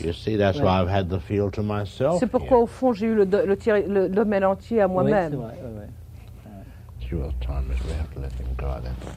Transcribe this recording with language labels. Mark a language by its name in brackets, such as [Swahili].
[English] You see, that's why I've had the feel to myself. [French] C'est pourquoi [English] here. [French] Au fond j'ai eu le domaine entier à moi-même. Oui, c'est vrai. [English] Time is we have to let him go then.